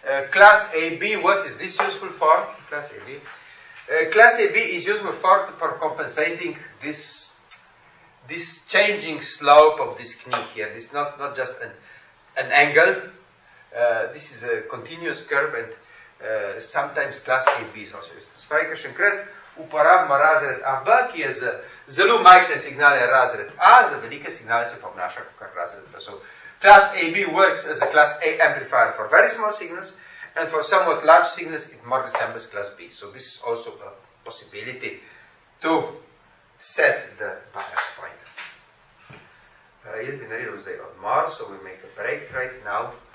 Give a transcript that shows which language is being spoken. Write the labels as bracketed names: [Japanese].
[English] Class AB, what is this useful for? Class AB. Class AB is useful for compensating this changing slope of this knee here, this is not just an angle, this is a continuous curve and sometimes class AB is also used. [Slovenian] Spravi, kakšenkrat uporabimo razred AB, ki je za zelo majhne signale razred A, za velike signale se obnaša kot razred B. [English] So, class AB works as a class A amplifier for very small signals and for somewhat large signals it more resembles class B. So, this is also a possibility to set the bias point. [Slovenian] Jaz bi naredil zdaj odmor, [English] so we make a break right now.